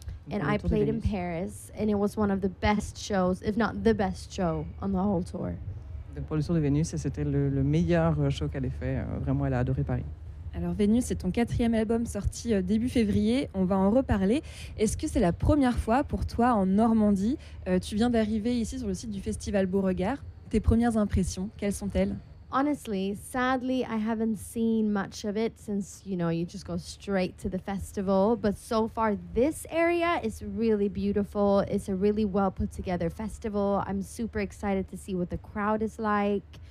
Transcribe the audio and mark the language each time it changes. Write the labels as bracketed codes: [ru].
[en] And I played in Paris, and it was one of the best shows, if not the best show, on the whole tour. [fr] Pour le tour de Vénus, c'était le meilleur show qu'elle ait fait. Vraiment, elle a adoré Paris. Alors, Vénus, c'est ton quatrième album sorti début février. On va en reparler. Est-ce que c'est la première fois pour toi en Normandie? Tu viens d'arriver ici sur le site du Festival Beauregard. Tes premières impressions, quelles sont-elles? [en] Honestly, sadly, I haven't seen much of it since, you know, you just go straight to the festival. But so far, this area is really beautiful. It's a really well put together festival. I'm super excited to see what the crowd is like.